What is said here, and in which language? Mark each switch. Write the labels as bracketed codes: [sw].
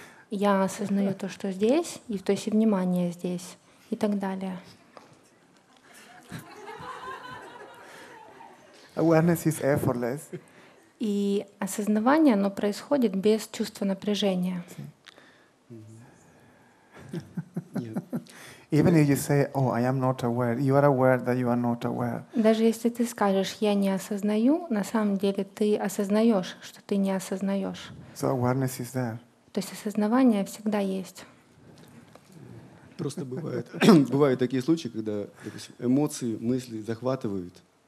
[ru] Я осознаю то, что здесь, и то есть и внимание здесь, и так далее. [en] Awareness is effortless. [ru] И осознавание, оно происходит без чувства напряжения. [en] Even if you say, oh, I am not aware, you are aware that you are not aware. [ru] Даже если ты скажешь, я не осознаю, на самом деле ты осознаешь, что ты не осознаешь. [en] So awareness is there. [ru] То есть осознавание всегда есть. Просто бывает, бывают такие случаи, когда, допустим, эмоции, мысли захватывают.